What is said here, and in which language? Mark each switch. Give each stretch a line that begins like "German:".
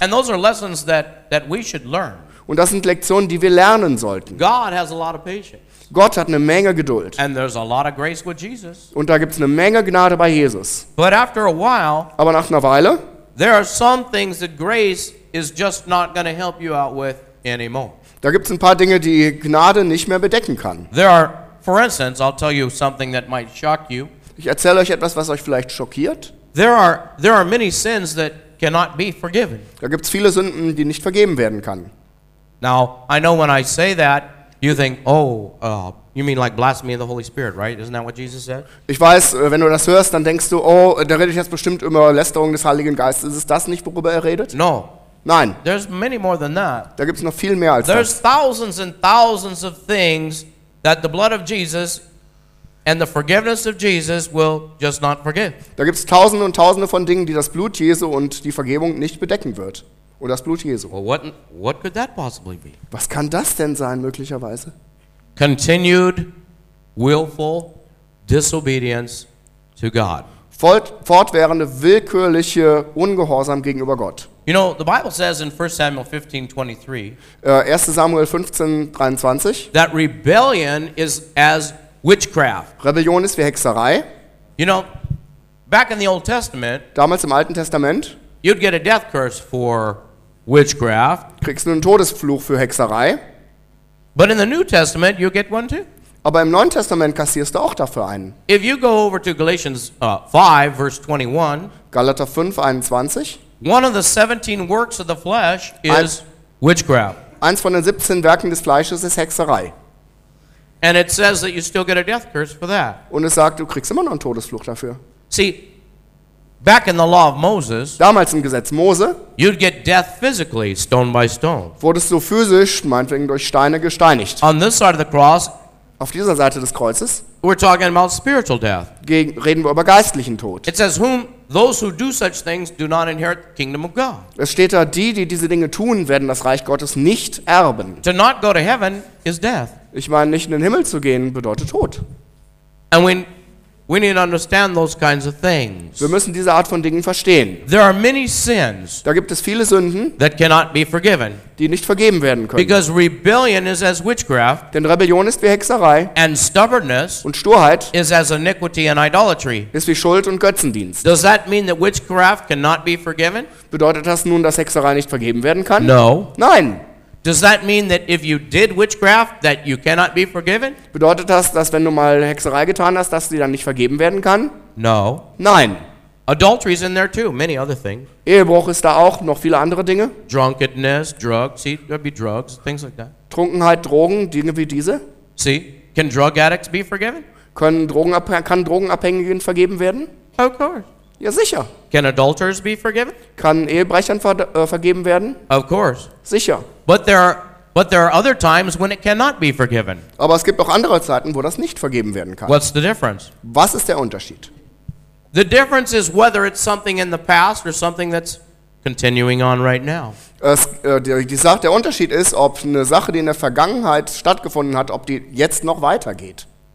English: And those are lessons that we should learn.
German: Und das sind Lektionen, die wir lernen sollten.
English: God has a lot of patience.
German: Gott hat eine Menge Geduld.
English: And there's a lot of grace with Jesus.
German: Und da gibt's eine Menge Gnade bei Jesus.
English: But after a while,
German: aber nach einer Weile,
English: there are some things that grace is just not going to help you out with anymore.
German: Da gibt's ein paar Dinge, die Gnade nicht mehr bedecken kann.
English: There are, for instance, I'll tell you something that might shock you.
German: Ich erzähle euch etwas, was euch vielleicht schockiert.
English: There are many sins that cannot be forgiven.
German: Da gibt's viele Sünden, die nicht vergeben werden kann.
English: Now, I know when I say that, you think, you mean like blasphemy of the Holy Spirit, right? Isn't that what Jesus said?
German: Ich weiß, wenn du das hörst, dann denkst du, oh, da rede ich jetzt bestimmt über Lästerung des Heiligen Geistes. Ist es das nicht, worüber er redet?
English: No.
German: Nein.
English: There's many more than that.
German: Da gibt's noch viel mehr als
English: There's
German: das.
English: There's thousands and thousands of things that the blood of Jesus and the forgiveness of Jesus will just not forgive.
German: Da gibt's tausende und tausende von Dingen, die das Blut Jesu und die Vergebung nicht bedecken wird. Oder das Blut Jesu.
English: Well, what could that possibly be?
German: Was kann das denn sein möglicherweise?
English: Continued willful disobedience to God.
German: Fortwährende willkürliche Ungehorsam gegenüber Gott.
English: You know, the Bible says in 1 Samuel 15:23.
German: 1. Samuel 15:23.
English: That rebellion is as witchcraft.
German: Rebellion ist wie Hexerei.
English: You know, back in the Old Testament,
German: damals im Alten Testament,
English: you'd get a death curse for witchcraft.
German: Kriegst du einen Todesfluch für Hexerei.
English: But in the New Testament, you get one too.
German: Aber im Neuen Testament kassierst du auch dafür einen.
English: If you go over to Galatians 5, verse 21,
German: Galater 5, 21,
English: one of the 17 works of the flesh is witchcraft.
German: Eins von den 17 Werken des Fleisches ist Hexerei.
English: And it says that you still get a death curse for that.
German: Und es sagt, du kriegst immer noch einen Todesfluch dafür.
English: See, back in the law of Moses,
German: damals im Gesetz Mose,
English: you'd get death physically, stone by stone.
German: Wurdest du physisch, meinetwegen durch Steine, gesteinigt.
English: On this side of the cross,
German: auf dieser Seite des Kreuzes,
English: we're talking about spiritual death.
German: Reden wir über geistlichen Tod.
English: It says, whom those who do such things do not inherit the kingdom of God.
German: Es steht da, die diese Dinge tun, werden das Reich Gottes nicht erben.
English: To not go to heaven is death.
German: Ich meine, nicht in den Himmel zu gehen, bedeutet Tod.
English: And we need to understand those kinds of things.
German: Wir müssen diese Art von Dingen verstehen.
English: There are many sins.
German: Da gibt es viele Sünden,
English: that cannot be forgiven.
German: Die nicht vergeben werden können.
English: Because rebellion is as witchcraft.
German: Denn Rebellion ist wie Hexerei.
English: And stubbornness.
German: Und Sturheit.
English: Is as iniquity and idolatry.
German: Ist wie Schuld und Götzendienst.
English: Does that mean that witchcraft cannot be forgiven?
German: Bedeutet das nun, dass Hexerei nicht vergeben werden kann?
English: No.
German: Nein.
English: Does that mean that if you did witchcraft that you cannot be forgiven?
German: Bedeutet das, dass wenn du mal Hexerei getan hast, dass sie dann nicht vergeben werden kann?
English: No.
German: Nein.
English: Adultery is in there too, many other things.
German: Ehebruch ist da auch, noch viele andere Dinge.
English: Drunkenness, drugs, see, there'd be drugs, things like that.
German: Trunkenheit, Drogen, Dinge wie diese.
English: See, can drug addicts be forgiven?
German: Kann Drogenabhängigen vergeben werden?
English: Of course.
German: Ja, sicher.
English: Can adulterers be forgiven?
German: Kann Ehebrechern vergeben werden?
English: Of course.
German: Sicher.
English: But there are other times when it cannot be forgiven.
German: Aber es gibt auch andere Zeiten, wo das nicht vergeben werden kann.
English: What's the difference?
German: Was ist der Unterschied?
English: The difference is whether it's something in the past or something that's continuing on right now.
German: Der Unterschied ist, ob eine Sache, die in der Vergangenheit stattgefunden hat, ob die jetzt noch weitergeht.